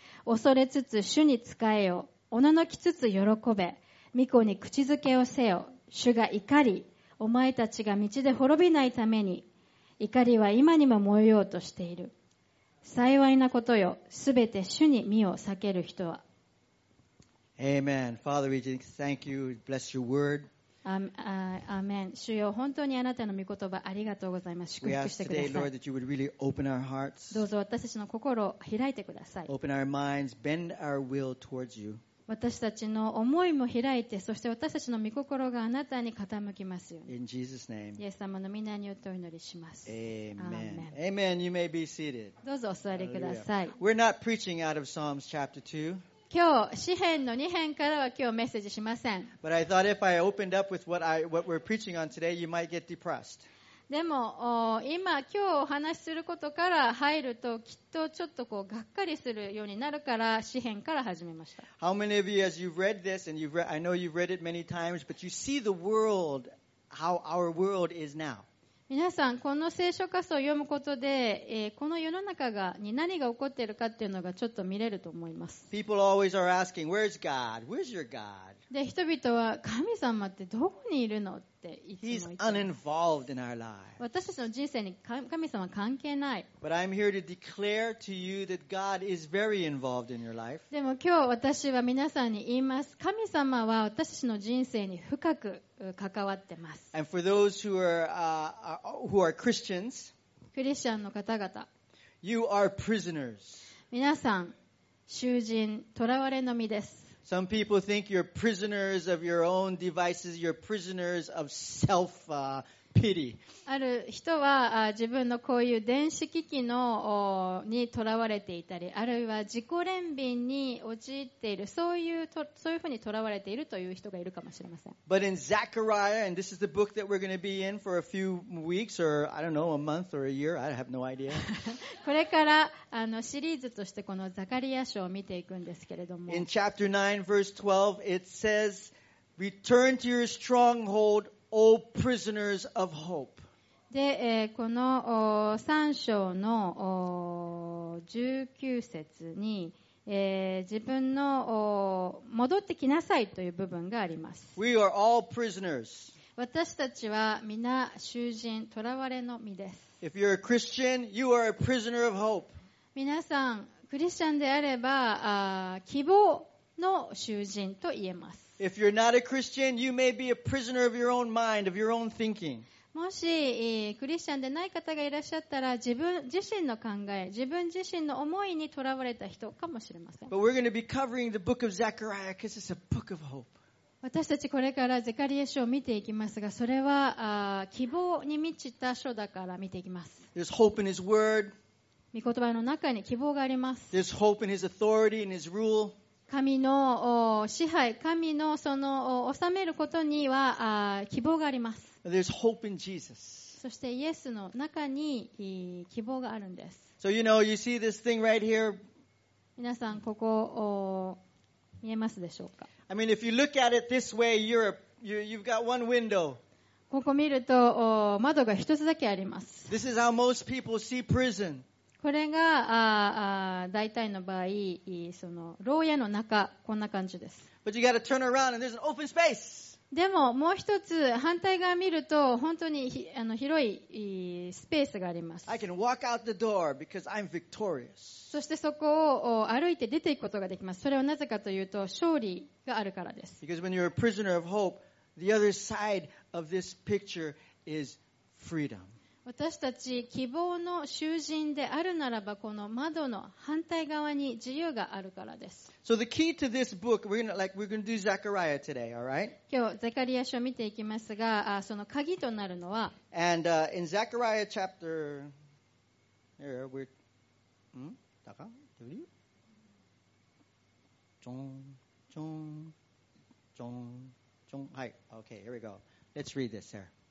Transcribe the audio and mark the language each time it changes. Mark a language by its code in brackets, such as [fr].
[ja] 恐れつつ主に仕えよおののきつつ喜べ御子に口づけをせよ主が怒りお前たちが道で滅びないために怒りは今にも燃えようとしている幸いなことよすべて主に身を避ける人は [en] Amen Father we just thank you bless your word [ja] アーメン主よ本当にあなたの御言葉ありがとうございます祝福してください [en] We ask today, Lord, that you would really open our hearts. [ja] どうぞ私たちの心を開いてください [en] Open our minds, bend our will towards you. [ja] 私たちの思いも開いて、そして私たちの御心があなたに傾きますように。 [en] In Jesus' name. [ja] イエス様の御名によってお祈りします。 [en] Amen. Amen. You may be seated. [ja] どうぞお座りください。 [en] We're not preaching out of Psalms chapter 2. [ja] 今日詩編の2編からは今日メッセージしません。 [en] But I thought if I opened up with what we're preaching on today, you might get depressed. [ja] でも今日お話しすることから入るときっとちょっとこうがっかりするようになるから詩編から始めました。 [en] How many of you, as you've read this, and I know you've read it many times, but you see the world, how our world is now. [ja] 皆さん、この聖書箇所を読むことで、この世の中に何が起こっているかというのがちょっと見れると思います。 [en] People always are asking, where's God? Where's your God? [ja] で、人々は、神様ってどこにいるのっていつも言ってます。 [en] He's uninvolved in our lives. [ja] 私たちの人生に神様は関係ない。 [en] But I'm here to declare to you that God is very involved in your life. [ja] でも今日私は皆さんに言います。神様は私たちの人生に深く関わってます。 [en] And for those who are Christians, [ja] クリスチャンの方々、 [en] You are prisoners. [ja] 皆さん、囚人、囚われの身です。 [en] Some people think you're prisoners of your own devices. You're prisoners of self, pity. [ja] ある人は自分のこういう電子機器のに囚われていたり、あるいは自己憐憫に陥っている、そういうふうに囚われているという人がいるかもしれません。 [en] But in Zechariah, and this is the book that we're going to be in for a few weeks, or I don't know, a month or a year. I have no idea. [ja] これからシリーズとしてこのザカリア書を見ていくんですけれども。 [en] In chapter 9, verse 12, it says, "Return to your stronghold, O prisoners of hope." [ja] で、この3章の19節に、自分の戻ってきなさいという部分があります。 [en] We are all prisoners. [ja] 私たちは皆囚人、囚われの身です。 [en] If you're a Christian, you are a prisoner of hope. [ja] 皆さん、クリスチャンであれば、希望の囚人と言えます。 [en] If you're not a Christian, you may be a prisoner of your own mind, of your own thinking. [ja] もし、クリスチャンでない方がいらっしゃったら、自分自身の考え、自分自身の思いに囚われた人かもしれません。 [en] But we're going to be covering the book of Zechariah because it's a book of hope. [ja] 私たちこれからゼカリア書を見ていきますが、それは希望に満ちた書だから見ていきます。 [en] There's hope in his word. [ja] 御言葉の中に希望があります。 [en] There's hope in his authority and his rule. [ja] 神の支配、神のその治めることには希望があります。 [en] There's hope in Jesus. [ja] そしてイエスの中に希望があるんです。 [en] So you know, you see this thing right here. [ja] 皆さんここを見えますでしょうか。 [en] I mean, if you look at it this way, you've got one window. [ja] ここ見ると窓が一つだけあります。 [en] This is how most people see prison. [ja] これが大体の場合、その牢屋の中こんな感じです。 [en] But you got to turn around and there's an open space. [ja] でももう一つ反対側見ると本当に広いスペースがあります。 [en] I can walk out the door because I'm victorious. [ja] そしてそこを歩いて出ていくことができます。それはなぜかというと勝利。があるからです。 [en] Because when you're a prisoner of hope, the other side of this picture is freedom. [ja] 私たち希望の囚人であるならば、この窓の反対側に自由があるからです。 [en] So the key to this book, we're gonna do Zechariah today, all right? [ja] 今日ゼカリア書を見ていきますが、その鍵となるのは、 [en] And in Zechariah chapter, here we, Okay, here we go. Let's read this, sir.